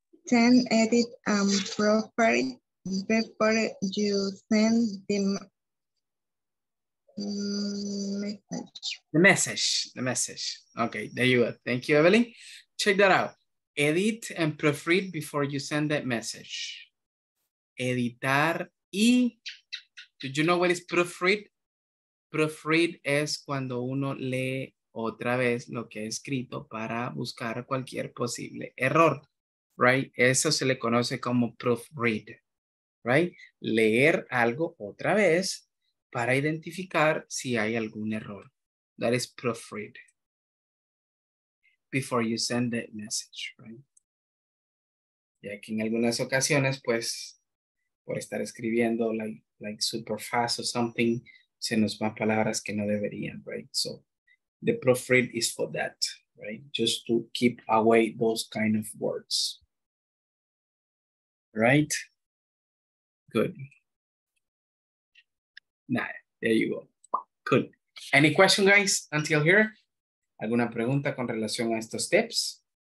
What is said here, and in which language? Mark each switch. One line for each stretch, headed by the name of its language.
English: Then edit profile before you send the message. The message. Okay, there you go. Thank you, Evelyn. Check that out. Edit and proofread before you send that message.
Spanish: Editar y,
English: do you know what is proofread?
Spanish: Proofread es cuando uno lee otra vez lo que ha escrito para buscar cualquier posible error, right? Eso se le conoce como proofread, right? Leer algo otra vez para identificar si hay algún error.
English: That is proofread. Before you send the message, right?
Spanish: Ya que en algunas ocasiones, pues, por estar escribiendo
English: like super fast or something,
Spanish: se nos van palabras que no deberían, right?
English: So the proofread is for that, right? Just to keep away those kind of words, right? Good. Nah, there you go. Good. Any question, guys, until here?
Spanish: ¿Alguna pregunta con relación a estos tips?